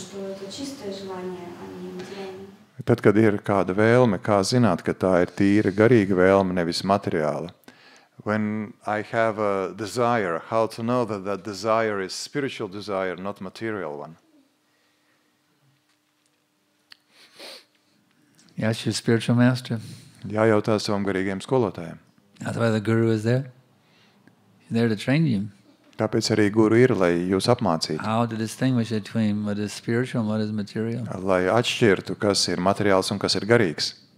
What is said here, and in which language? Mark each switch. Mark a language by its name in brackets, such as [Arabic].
[Latvian] Tad, kad ir kāda vēlme, kā zināt, ka tā ir tīra garīga vēlme, nevis materiāla? [English] When I have a desire, how to know that that desire is spiritual desire, not material one? Yes, your spiritual master. [Latvian] Jājautā savam garīgajam skolotājam. [English] That's why the guru is there. He's there to train you. [Latvian] Tāpēc arī guru ir, lai jūs apmācītu. [English] How to distinguish between what is spiritual and what is material? [Latvian] Lai atšķirtu, kas ir materiāls un kas ir garīgs.